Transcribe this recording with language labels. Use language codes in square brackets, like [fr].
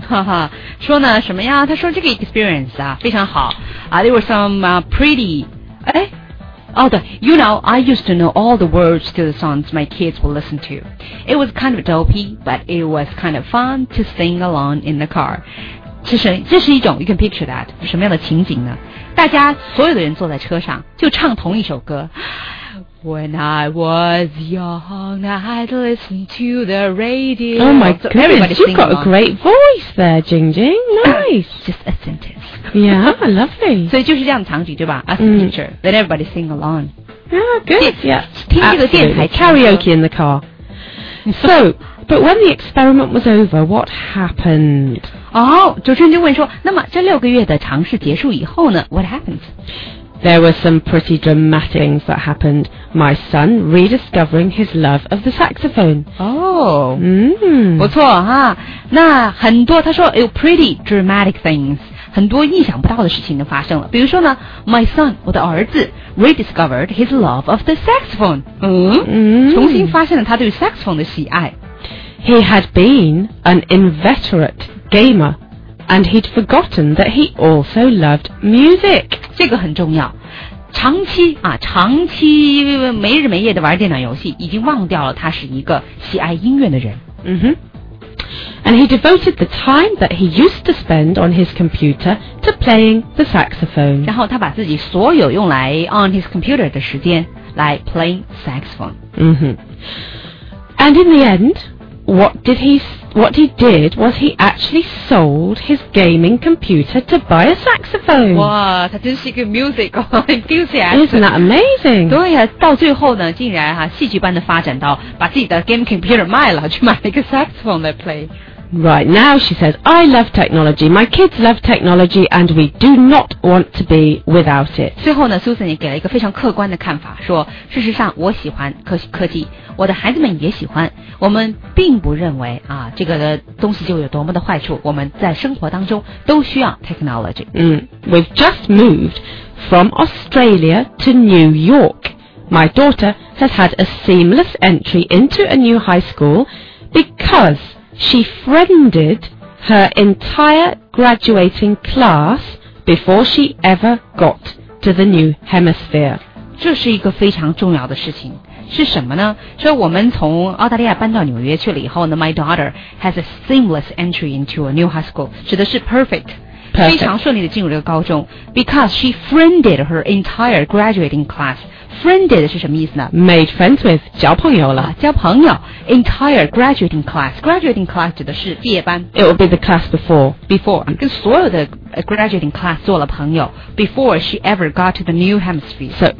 [zh] 哈哈，说呢什么呀？他说这个 experience 啊非常好啊。 [en] There were some pretty, [zh] 哎，哦对 [en] ，you know, I used to know all the words to the songs my kids would listen to. It was kind of dopey, but it was kind of fun to sing along in the car. [zh] 这是一种 [en] you can picture that [zh] 什么样的情景呢？大家所有的人坐在车上就唱同一首歌。 [en] When I was young, I'd listen to the radio. Oh my goodness, you've got a great voice there, Jing Jing. Nice. Just a sentence. Yeah, lovely. [zh] 所以就是这样的场景，对吧？ [en] A picture. Then everybody sing along. Yeah, good. Yeah, karaoke in the car. So, but when the experiment was over, what happened? [zh] 哦，主持人就问说，那么这六个月的尝试结束以后呢？ [en] What happens? There were some pretty dramatic things that happened. My son rediscovering his love of the saxophone. Oh. Mm. [zh] 不错哈。那很多他说有 pretty dramatic things. 很多意想不到的事情都发生了。比如说呢 [en] ,my son, [zh] 我的儿子 [en] rediscovered his love of the saxophone. [zh] 重新发现了他对 saxophone 的喜爱。 [en] He had been an inveterate gamer. And he'd forgotten that he also loved music. [zh] 这个很重要。长期啊，长期没日没夜的玩电脑游戏，已经忘掉了他是一个喜爱音乐的人。嗯哼。 [en] And he devoted the time that he used to spend on his computer to playing the saxophone. [zh] 然后他把自己所有用来 [en] on his computer [zh] 的时间来 [en] playing saxophone. 嗯哼。 And in the end, What he did was he actually sold his gaming computer to buy a saxophone. [zh] 哇，他真是一个 [en] music enthusiast. Isn't that amazing? [zh] 对呀、啊，到最后呢，竟然哈、啊、戏剧般的发展到把自己的 game computer 卖了，去买了一个 saxophone 来 play. [en] Right now, she says, I love technology. My kids love technology, and we do not want to be without it. [zh] 最后呢 ，Susan 也给了一个非常客观的看法，说事实上我喜欢科技。我的孩子们也喜欢，我们并不认为啊，这个东西就有多么的坏处，我们在生活当中都需要 technology。 [en] We've just moved from Australia to New York. My daughter has had a seamless entry into a new high school because she friended her entire graduating class before she ever got to the new hemisphere. [zh] 这是一个非常重要的事情。是什么呢？说我们从澳大利亚搬到纽约去了以后呢 [en] My daughter has a seamless entry into a new high school， [zh] 指的是 perfect， [en] perfect. [zh] 非常顺利的进入这个高中。 [en] Because she friended her entire graduating classFriended [zh] 是什么意思呢 [en] Made friends with [zh] 交朋友了、 [en] 啊、 [zh] 交朋友 [en] Entire graduating class Graduating class [zh] 指的是毕业班 [en] It will be the class before Before [zh] 跟所有的 [en] graduating class [zh] 做了朋友 [en] Before she ever got to the new hemisphere